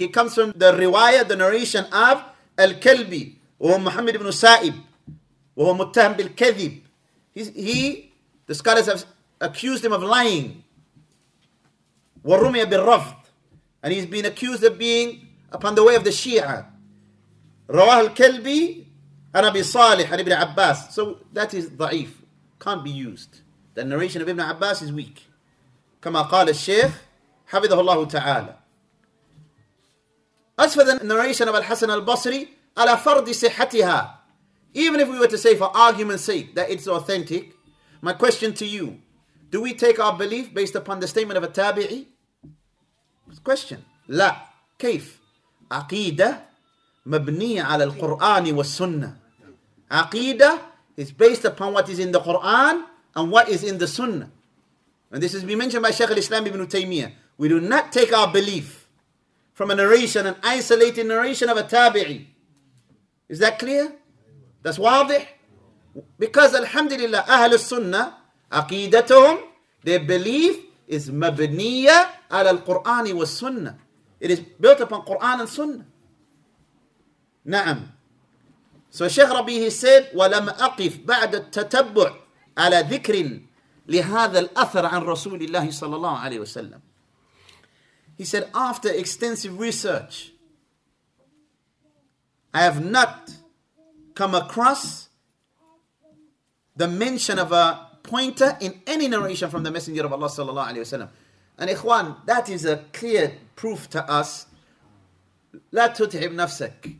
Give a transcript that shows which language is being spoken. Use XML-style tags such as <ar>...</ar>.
<en>It comes from the riwayah, the narration of Al-Kalbi, or Muhammad ibn Sa'ib, or Muttaham bil-Kadhib. The scholars have accused him of lying.</en> <ar>وَرُمِيَ بِالرَّفْضِ.</ar> <en>And he's been accused of being upon the way of the Shia.</en> <ar>رواه الكلبي عن أبي صالح عن ابن عباس.</ar> <en>So that is ضعيف. Can't be used. The narration of Ibn Abbas is weak.</en> <ar>كما قال الشيخ حفظه الله تعالى.</ar> <en>As for the narration of Al-Hasan Al-Basri,</en> <ar>على فرض صحتها.</ar> <en>Even if we were to say for argument's sake that it's authentic, my question to you, do we take our belief based upon the statement of a tabi'i? Question.</en> <ar>لا. كيف؟ عقيدة مبنية على القرآن والسنة.</ar> <en>عقيدة is based upon what is in the Quran and what is in the Sunnah. And this has been mentioned by Shaykh al-Islam ibn Taymiyyah. We do not take our belief from a narration, an isolated narration of a tabi'i. Is that clear? That's</en> <ar>واضح.</ar> <en>Because alhamdulillah, Ahl al-Sunnah,</en> <ar>aqidatuhum,</ar> <en>their belief is</en> <ar>mabniya ala al-Qur'an wa sunnah.</ar> <en>It is built upon Qur'an and sunnah.</en> <ar>Na'am.</ar> <en>So Shaykh Rabbi, he said,</en> <ar>وَلَمْ أَقِفْ بَعْدَ التَّتَبُّعْ عَلَى ذِكْرٍ لِهَذَا الْأَثَرْ عَنْ رَسُولِ اللَّهِ صَلَى اللَّهُ عَلَيْهِ وَسَلَّمْ.</ar> <en>He said, after extensive research, I have not come across the mention of a pointer in any narration from the Messenger of Allah sallallahu alayhi wa sallam. And Ikhwan, that is a clear proof to us.</en> <ar>La tut'ib nafsak.</ar>